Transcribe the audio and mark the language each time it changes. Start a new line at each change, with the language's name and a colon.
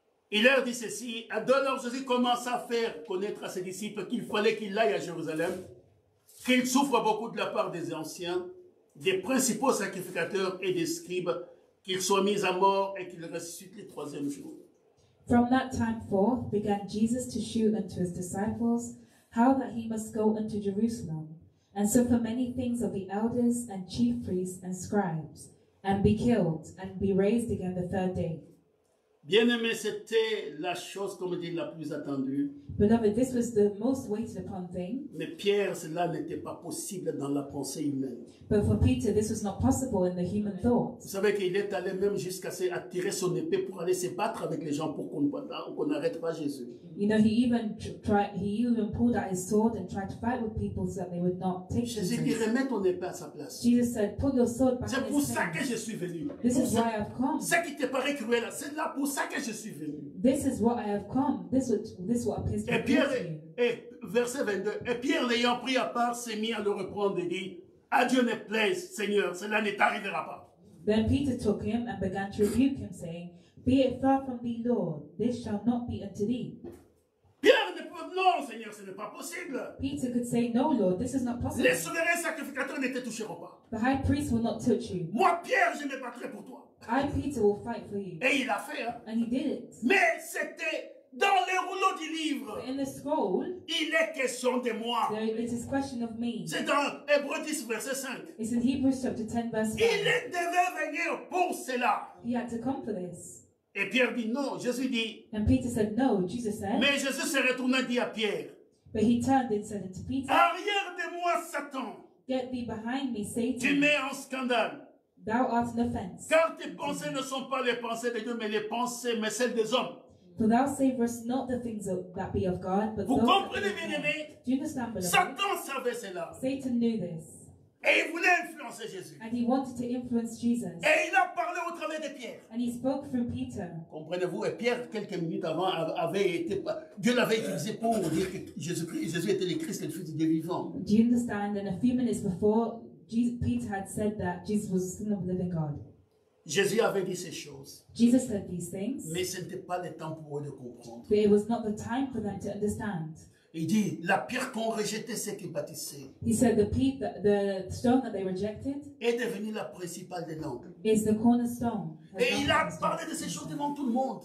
French: Il leur dit ceci, alors Jésus commença à faire connaître à ses disciples qu'il fallait qu'il aille à Jérusalem, qu'il souffre beaucoup de la part des anciens, des principaux sacrificateurs et des scribes, qu'il soit mis à mort et qu'il ressuscite le troisième jour.
English: From that time forth began Jesus to shew unto his disciples how that he must go unto Jerusalem, and suffer many things of the elders and chief priests and scribes, and be killed and be raised again the third day.
French: Bien-aimé, c'était la chose, comme dit, la plus attendue.
English: Beloved, this was the most waited upon thing.
French: Mais Pierre, cela n'était pas possible dans la pensée humaine.
English: But for Peter, this was not possible in the human thought.
French: Vous savez qu'il est allé même jusqu'à attirer son épée pour aller se battre avec les gens pour qu'on n'arrête pas Jésus.
English: You know, he even pulled out his sword and tried to fight with people so that they would not take Jésus.
French: Jésus dit, remets ton épée à sa place.
English: Jesus said, put your sword back.
French: C'est pour ça que je suis venu.
English: This is why I've come.
French: Ce qui te paraît cruel, c'est là pour ça que je suis venu.
English: This is what I have come. This is what appears to me.
French: Et Pierre, verset 22. Et Pierre, l'ayant pris à part, s'est mis à le reprendre et dit, à Dieu ne plaise, Seigneur, cela ne t'arrivera pas.
English: Then Peter took him and began to rebuke him, saying, be it far from thee, Lord, this shall not be unto thee.
French: Pierre ne peut, non, Seigneur, ce n'est pas possible.
English: Peter could say, no, Lord, this is not possible.
French: Les souverains sacrificateurs ne te toucheront pas.
English: The high priest will not touch you.
French: Moi, Pierre, je me battrai pour toi.
English: I, Peter, will fight for you.
French: Et il l'a fait. Hein?
English: And he did it.
French: Mais c'était dans les rouleaux du livre.
English: But in the scroll.
French: Il est question de moi.
English: It is question of me.
French: C'est dans Hébreux 10, verset 5.
English: It's in Hebrews chapter 10, verse
French: 5. Il devait venir pour cela.
English: He had to come for this.
French: Et Pierre dit non. Jésus dit.
English: And Peter said no. Jesus said.
French: Mais Jésus se retourna et dit à Pierre.
English: But he turned and said to Peter,
French: arrière de moi, Satan.
English: Get thee behind me, Satan.
French: Tu mets en scandale.
English: Thou art an offense.
French: Car tes pensées ne sont pas les pensées de Dieu, mais les pensées, mais celles des hommes.
English: For thou savest not the things that be of God, but
French: vous
English: those
French: comprenez bien aimé?
English: Do you understand, beloved?
French: Satan savait cela.
English: Satan knew this.
French: Et il voulait influencer Jésus.
English: And he wanted to influence Jesus.
French: Et il a parlé au travers de Pierre.
English: And he spoke through Peter.
French: Comprenez-vous? Et Pierre, quelques minutes avant, avait été Dieu l'avait utilisé pour dire que Jésus était le Christ, le Fils du Dieu vivant.
English: Do you understand? And a few minutes before, Peter had said that Jesus was the Son of the Living God.
French: Jésus avait dit ces choses.
English: Jesus said these things.
French: Mais ce n'était pas le temps pour eux de comprendre.
English: But it was not the time for them to understand.
French: Il dit, la pierre qu'on rejetait, c'est qu'ils bâtissaient.
English: He said the stone that they rejected
French: est devenue la principale des langues.
English: Is the cornerstone.
French: Et il a parlé de ces choses devant tout le monde.